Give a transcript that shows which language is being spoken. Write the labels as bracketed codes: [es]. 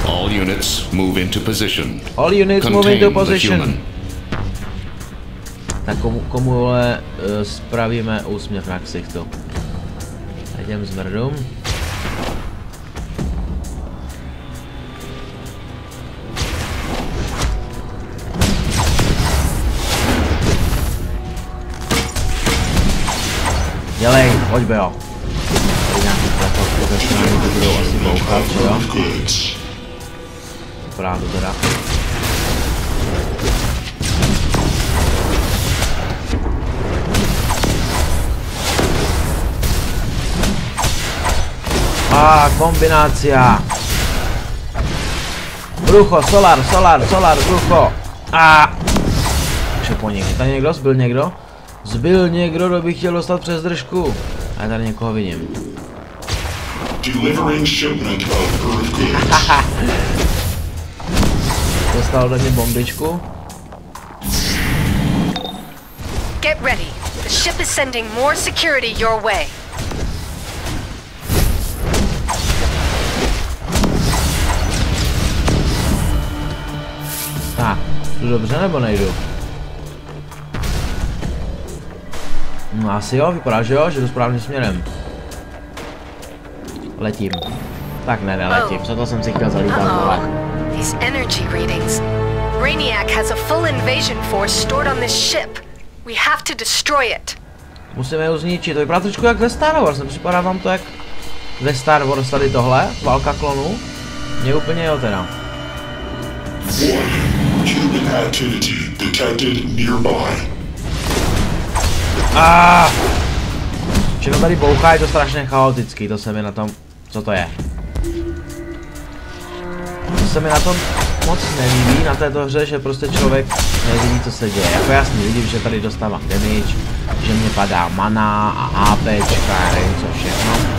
[en] Units move into position. All units move into position. [cs] Tak komu vole spravíme úsměv na ksichtu. Jdem s mrdům. Dělej, pojď Beo. Tady nějaký plechot, kde se nám to budou asi bouchat, že jo? Právě teda. Kombinácia. Brucho, solar, brucho. Už je po nich. Tady někdo? Zbyl někdo? Zbyl někdo, kdo by chtěl dostat přes držku. A já tady někoho vidím. [en] Delivering shipment of Earth goods. [cs] Dostal do mě bombičku. [en] Get ready. The ship is sending more security your way. [cs] Tak, jdu dobře nebo nejdu? No asi jo, vypadá, že jo, že jdu správným směrem. Letím. Tak ne, neletím, co to jsem si chtěl zalítat. [en] These energy readings. Brainiac has a full invasion force stored on this ship. We have to destroy it. [cs] Musíme ho zničit. To je trošku jak ve Star Wars. Nepřipadá vám to jak ve Star Wars tady tohle? Válka klonů? Mně úplně jo teda. [en] One. Human activity detected nearby. [cs] Všechno tady bouchá, je to strašně chaotický, to se mi na tom, co to je. To se mi na tom moc nelíbí, na této hře, že prostě člověk nevidí, co se děje. Jako jasně vidím, že tady dostávám damage, že mě padá mana a APčka, já nevím co všechno.